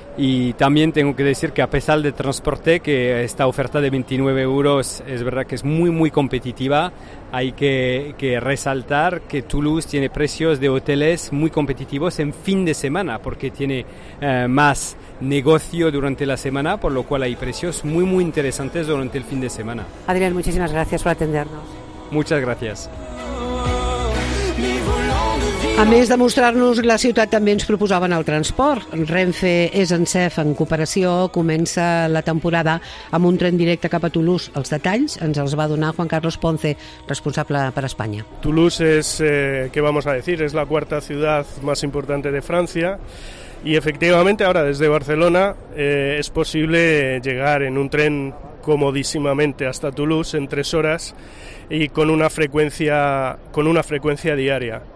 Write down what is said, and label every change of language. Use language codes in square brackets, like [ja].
[es] Y también tengo que decir que a pesar del transporte, que esta oferta de 29 euros es verdad que es muy, muy competitiva, hay que resaltar que Toulouse tiene precios de hoteles muy competitivos en fin de semana, porque tiene más negocio durante la semana, por lo cual hay precios muy, muy interesantes durante el fin de semana. Adrián, muchísimas gracias por atendernos. Muchas gracias. [ca] A més de mostrar-nos la ciutat, també ens proposaven el transport. Renfe és en SEF en cooperació, comença la temporada amb un tren directe cap a Toulouse. Els detalls ens els va donar Juan Carlos Ponce, responsable per Espanya. [es] Toulouse es, ¿qué vamos a decir? Es la cuarta ciudad más importante de Francia y efectivamente ahora desde Barcelona es posible llegar en un tren comodísimamente hasta Toulouse en 3 horas y con una frecuencia diaria.